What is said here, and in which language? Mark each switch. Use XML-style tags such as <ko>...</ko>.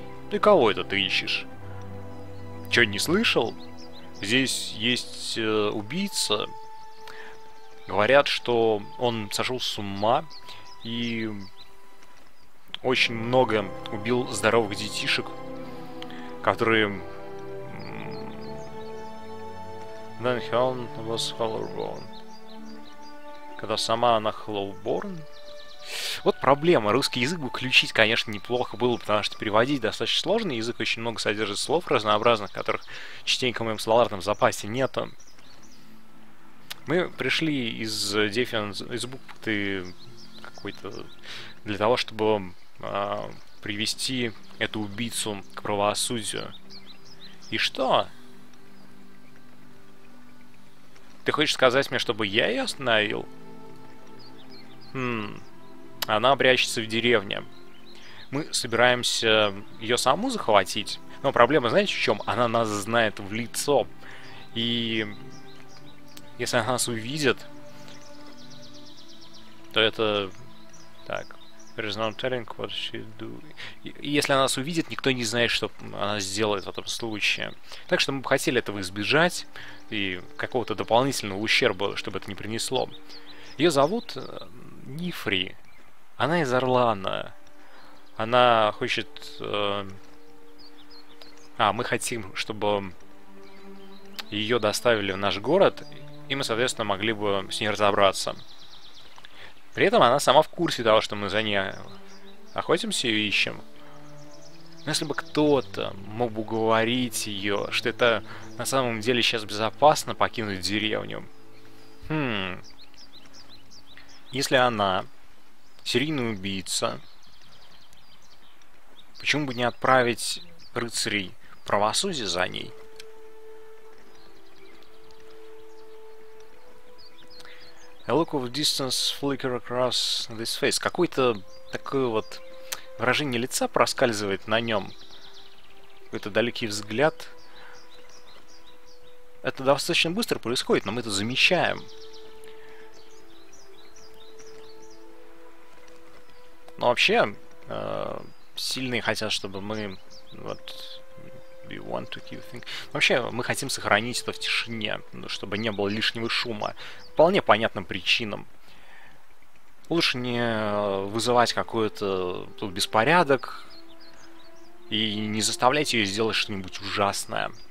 <ru>Ты кого это ты ищешь? Чё, не слышал? Здесь есть убийца. Говорят, что он сошел с ума и очень много убил здоровых детишек, которые...</ru> <en>Then Helen was Hollowborn.</en> <ru>Когда сама она Hollowborn. Вот проблема. Русский язык бы включить, конечно, неплохо было, потому что переводить достаточно сложно. Язык очень много содержит слов разнообразных, которых частенько в моем словарном запасе нету. Мы пришли из Дефианс, из бухты какой-то для того, чтобы привести эту убийцу к правосудию. И что? Ты хочешь сказать мне, чтобы я ее остановил? Она прячется в деревне. Мы собираемся ее саму захватить. Но проблема, знаете, в чем? Она нас знает в лицо. И если она нас увидит, то это... Так.</ru> <en>There is no telling what she do.</en> <ru>И если она нас увидит, никто не знает, что она сделает в этом случае. Так что мы бы хотели этого избежать и какого-то дополнительного ущерба, чтобы это не принесло. Ее зовут Нифри. Она из Орлана. Она хочет... мы хотим, чтобы ее доставили в наш город, и мы, соответственно, могли бы с ней разобраться. При этом она сама в курсе того, что мы за ней охотимся и ищем. Но если бы кто-то мог бы уговорить ее, что это на самом деле сейчас безопасно покинуть деревню. Если она серийный убийца, почему бы не отправить рыцарей правосудия за ней?</ru> <en>A look of distance flicker across this face.</en> <ru>Какое-то такое вот выражение лица проскальзывает на нем. Какой-то далекий взгляд. Это достаточно быстро происходит, но мы это замечаем. Но вообще, сильные хотят, чтобы мы...</ru> <en>Вот, we want to keep things...</en> <ru>Вообще, мы хотим сохранить это в тишине, чтобы не было лишнего шума. Вполне понятным причинам. Лучше не вызывать какой-то тут беспорядок и не заставлять ее сделать что-нибудь ужасное.</ru>